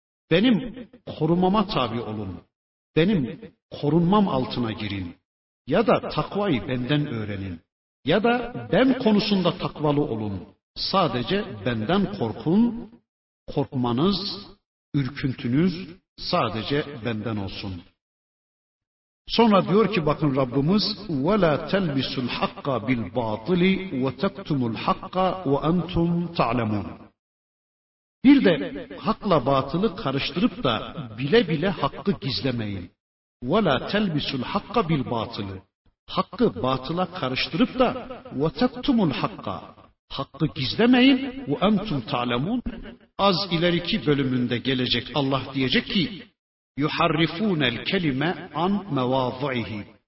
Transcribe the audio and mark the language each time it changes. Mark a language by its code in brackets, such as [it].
[tr] Benim korumama tabi olun. Benim korunmam altına girin. Ya da takvayı benden öğrenin. Ya da ben konusunda takvalı olun. Sadece benden korkun. Korkmanız, ürküntünüz sadece benden olsun. Sonra diyor ki bakın Rabbimiz [ar] وَلَا تَلْبِسُ الْحَقَّ بِالْبَاطِلِ وَتَكْتُمُ الْحَقَّ وَأَنْتُمْ تَعْلَمُونَ. [tr] Bir de hakla batılı karıştırıp da bile bile hakkı gizlemeyin. [ar] وَلَا تَلْبِسُ الْحَقَّ بِالْبَاطِلِ. [tr] Hakkı batıla karıştırıp da [ar] وَتَكْتُمُ الْحَقَّ. [tr] Hakkı gizlemeyin [ar] وَأَنْتُمْ تَعْلَمُونَ. [tr] Az ileriki bölümünde gelecek Allah diyecek ki [ar] يُحَرِّفُونَ الْكَلِمَ عَنْ مَوَاضِعِهِ.